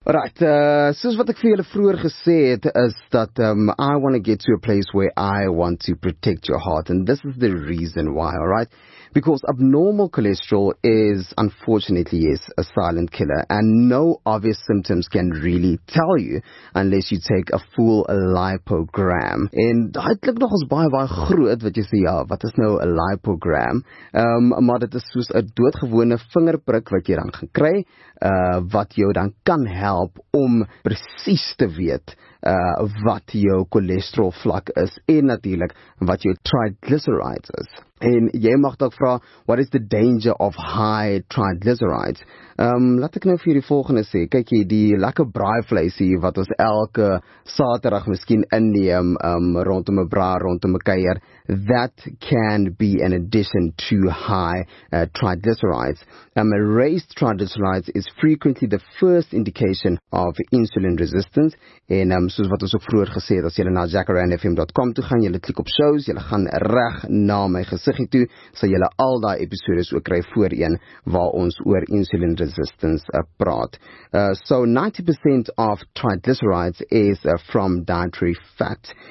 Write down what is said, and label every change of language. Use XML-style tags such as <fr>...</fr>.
<en>Right,</en> <af>soos wat ek vir julle vroeër gesê het, is dat</af> <en>I want to get to a place where I want to protect your heart, and this is the reason why, all right? Because abnormal cholesterol is, unfortunately, yes, a silent killer, and no obvious symptoms can really tell you unless you take a full lipogram.</en> <af>En dit klink nog ons baie groot wat jy sê, ja, wat is nou 'n lipogram? Maar dit is soos 'n doodgewone vingerprik wat jy dan gaan kry, wat jou dan kan help om presies te weet wat jou cholesterol vlak is en natuurlik wat jou triglycerides is. En jy mag dalk vra,</af> <en>what is the danger of high triglycerides?</en> <af>Laat ek nou vir die volgende sê, kyk jy, die lekker braai vleis hier wat ons elke Saterdag miskien inneem rondom 'n braai, rondom 'n kuier,</af> <en>that can be an addition to high triglycerides. Raised triglycerides is frequently the first indication of insulin resistance.</en> <af>En soos wat ons ook vroeër gesê het, as jy na jackaranfm.com toe gaan, jy klik op shows, jy gaan reg na my gesiggie toe, sal jy al daai episode ook kry voorheen waar ons oor insulin resistance praat.</af> <en>So 90% of triglycerides is from dietary fat.</en>